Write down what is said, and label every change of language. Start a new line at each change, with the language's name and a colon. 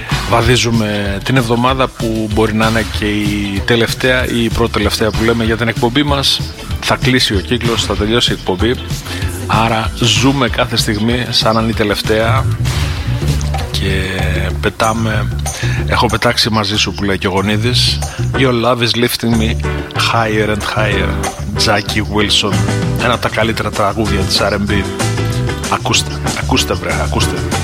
Greek: Βαδίζουμε την εβδομάδα που μπορεί να είναι και η τελευταία ή η πρώτη τελευταία που λέμε για την εκπομπή μας. Θα κλείσει ο κύκλος, θα τελειώσει η εκπομπή. Άρα ζούμε κάθε στιγμή σαν να είναι η τελευταία. Και πετάμε, έχω πετάξει μαζί σου που λέει και ο Γονίδης.
English: Your love is lifting me higher and higher.
Greek: Jackie Wilson, ένα από τα καλύτερα τραγούδια της R&B. Ακούστε, ακούστε βρε, ακούστε.